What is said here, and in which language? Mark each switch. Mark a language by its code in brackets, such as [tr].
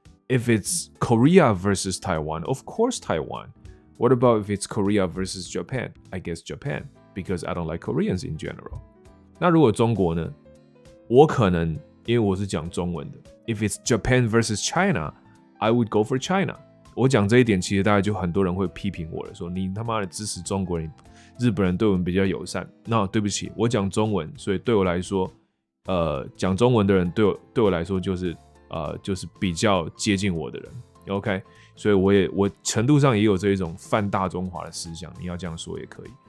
[en] If it's Korea versus Taiwan, of course Taiwan. What about if it's Korea versus Japan? I guess Japan, because I don't like Koreans in general. [zh] 那如果中国呢？我可能，因为我是讲中文的。 [en] If it's Japan versus China, I would go for China. [zh] 我讲这一点，其实大概就很多人会批评我了，说你他妈的支持中国人，日本人对我们比较友善。那对不起，我讲中文，所以对我来说，讲中文的人对我来说就是就是比较接近我的人 ，OK， 所以我程度上也有这一种泛大中华的思想，你要这样说也可以。